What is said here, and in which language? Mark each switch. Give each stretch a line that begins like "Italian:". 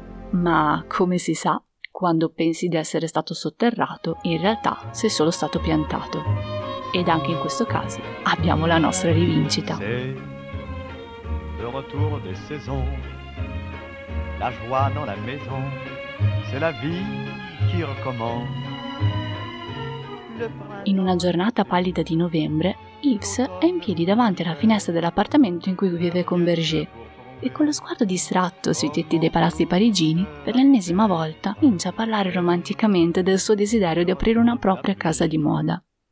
Italian: Ma, come si sa, quando pensi di essere stato sotterrato, in realtà sei solo stato piantato. Ed anche in questo caso abbiamo la nostra rivincita.
French: Le retour des saisons, la joie dans la maison, c'est la vie qui recommence.
Italian: In una giornata pallida di novembre, Yves è in piedi davanti alla finestra dell'appartamento in cui vive con Berger, e con lo sguardo distratto sui tetti dei palazzi parigini, per l'ennesima volta comincia a parlare romanticamente del suo desiderio di aprire una propria casa di moda.